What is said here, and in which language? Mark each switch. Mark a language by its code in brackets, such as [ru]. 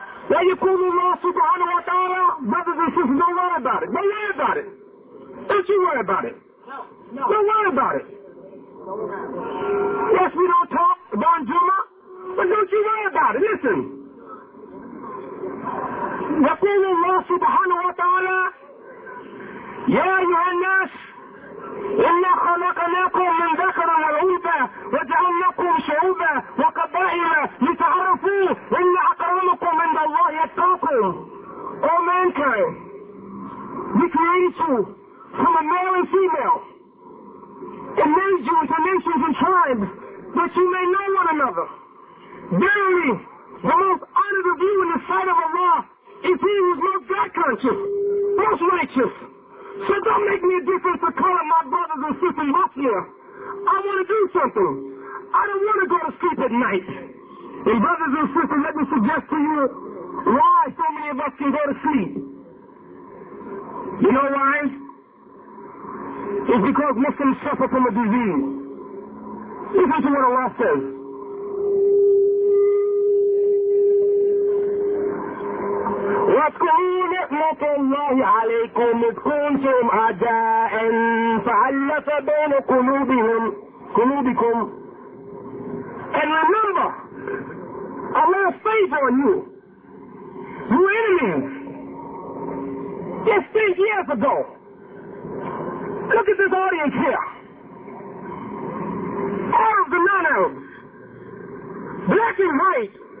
[ar] Wa yakulullah subhanahu wa ta'ala. [en] Brothers and sisters, don't worry about it. Don't worry about it. Don't you worry about it. No. Don't worry about it. Yes, we don't talk about Juma. But don't you worry about it. Listen. [ar] يقول الله سبحانه وتعالى يا أيها الناس إنا خلقناكم من ذكر وأنثى وجعلناكم شعوبا وقبائل لتعرفوا إن أكرمكم عند الله يتقاكم. [en] All mankind, we created you from a male and female and made you into nations and tribes that you may know one another. Verily, the most honored of you in the sight of Allah is he who is most God-conscious, most righteous. So don't make me a difference to call up my brothers and sisters up here. I want to do something. I don't want to go to sleep at night. And brothers and sisters, let me suggest to you, us can go to sleep. You know why? It's because Muslims suffer from a disease. Listen to what Allah says. [ar] واذكروا نعمة الله عليكم إذ كنتم أعداء فألف بين قلوبكم. [en] And remember, Allah's favor on you. You enemies. Just 3 years ago. Look at this audience here. Arabs and non-Arabs. Black and white.